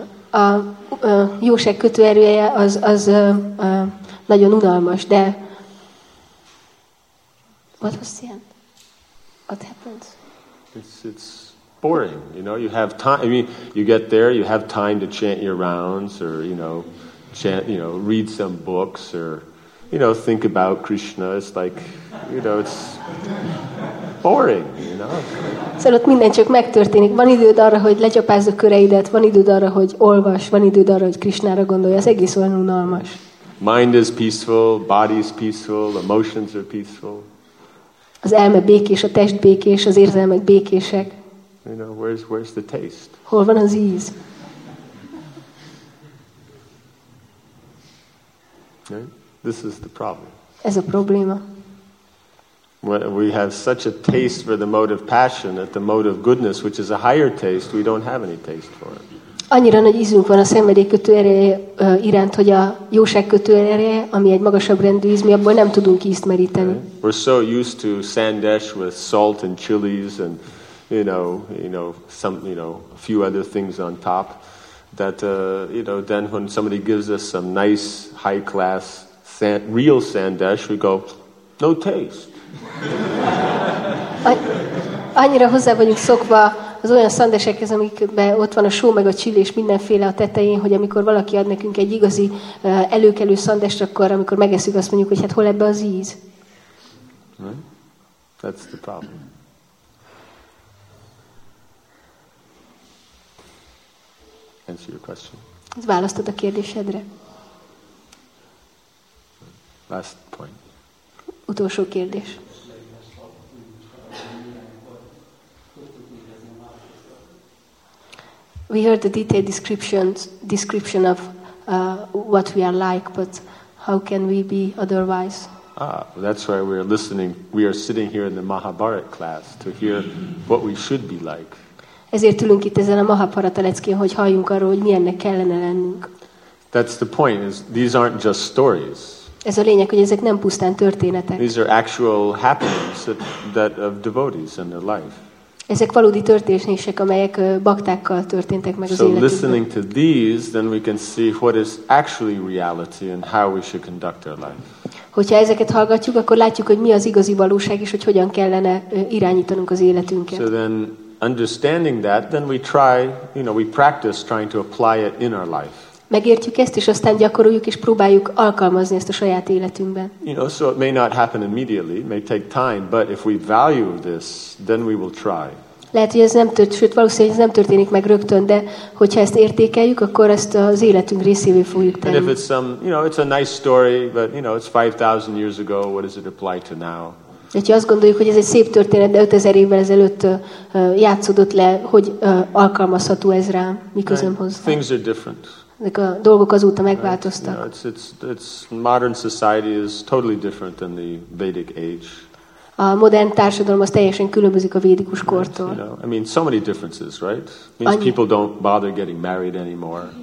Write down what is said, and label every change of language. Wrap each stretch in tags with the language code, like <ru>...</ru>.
<hu>A jóság kötőerője az nagyon unalmas, de</hu> <en>what was the end? What happens? It's boring, you know. You have time. I mean, you get there, you have time to chant your rounds, or you know, chant, you know, read some books, or you know, think about Krishna. It's like, you know, it's boring, you know.</en> <hu>Szóval ott minden csak megtörténik. Van időd arra, hogy lecsapázz a köreidet, van időd arra, hogy olvas, van időd arra, hogy Krishnára gondolj. Ez egész olyan unalmas.</hu> <en>Mind is peaceful, body is peaceful, emotions are peaceful.</en> <hu>Az elme békés, a test békés, az érzelmek békések.</hu> <en>You know, where's the taste?</en> <hu>Hol van az íz?</hu> <en>This is the problem.</en> <hu>Ez a probléma.</hu> <en>We have such a taste for the mode of passion at the mode of goodness, which is a higher taste, we don't have any taste for it.</en> <hu>Annyira nagy ízünk van a szenvedély kötőereje iránt, hogy a jóság kötőereje, ami egy magasabb rendű íz, mi abból nem tudunk ízt meríteni.</hu> <en>Right? We're so used to sandesh with salt and chilies and you know, a few other things on top that, you know, then when somebody gives us some nice, high class, real sandesh, we go, no taste.</en> <hu>Annyira hozzá vagyunk szokva az olyan szandesekhez, amikben ott van a só, meg a csili és mindenféle a tetején, hogy amikor valaki ad nekünk egy igazi előkelő szandest, akkor amikor megeszük, azt mondjuk, hogy hát hol ebbe az íz?</hu> <en>Right? That's the problem. Answer your question.</en> <hu>Ez választod a kérdésedre.</hu> <en>Last point.</en> <hu>Utolsó kérdés.</hu> <en>We heard the detailed description of what we are like, but how can we be otherwise? Well, that's why we are listening. We are sitting here in the Mahabharata class to hear what we should be like.</en> <hu>Ezért ülünk itt ezen a Mahabharata leckén, hogy halljunk arról, hogy milyennek kellene lennünk.</hu> <en>That's the point, is these aren't just stories.</en> <hu>Ez a lényeg, hogy ezek nem pusztán történetek.</hu> <en>These are actual happenings that of devotees in their life.</en> <hu>Ezek valódi történések, amelyek baktákkal történtek meg az életükben.</hu> <en>So listening to these, then we can see what is actually reality and how we should conduct our life.</en> <hu>Hogyha ezeket hallgatjuk, akkor látjuk, hogy mi az igazi valóság, és hogy hogyan kellene irányítanunk az életünket.</hu> <en>So then, understanding that, then we try, you know, we practice trying to apply it in our life.</en> <hu>Megértjük ezt, és aztán gyakoroljuk és próbáljuk alkalmazni ezt a saját életünkben.</hu> <en>You know, so it may not happen immediately, it may take time, but if we value this, then we will try.</en> <hu>Lehet, hogy ez nem történik, sőt, valószínűleg ez nem történik meg rögtön, de hogyha ezt értékeljük, akkor ezt az életünk részévé fogjuk tenni.</hu> <en>And if it's some, you know, it's a nice story, but you know, it's 5,000 years ago, what does it apply to now?</en> <hu>De ha azt gondoljuk, hogy ez egy szép történet, de 5000 évvel ezelőtt játszódott le, hogy alkalmazható ez rám, miközben hozzá.</hu> <en>Things are different.</en> <hu>Ezek a dolgok azóta megváltoztak.</hu> <en>Right. You know, it's modern society is totally different than the Vedic age.</en> <hu>A modern társadalom az teljesen különbözik a védikus kortól.</hu> <en>Right. You know, I mean, so many differences, right? Means</en> <hu>annyi,</hu> <en>people don't bother getting married anymore.</en>